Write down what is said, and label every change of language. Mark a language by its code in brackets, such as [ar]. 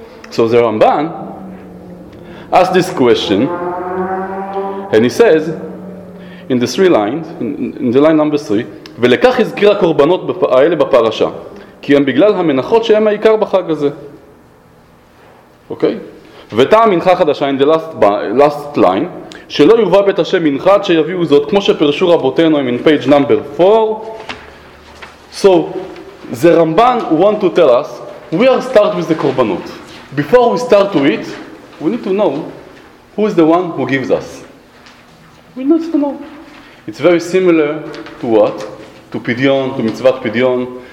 [en] So the Ramban ask this question, and he says in the three lines, in the line number 3, [he] ולכך הזכיר הקורבנות האלה בפרשה, כי הם בגלל המנחות שהם העיקר בחג הזה. [en] Okay? [he] וטעם מנחה חדשה, [en] in the last line, [he] שלא יובא בית השם מנחה עד שיביאו זאת, כמו שפרשו רבותינו, [en] in page number 4. So, the Ramban want to tell us, we are start with the קורבנות. Before we start to eat, we need to know who is the one who gives us. We need to know. It's very similar to what? To Pidyon, to Mitzvat Pidyon.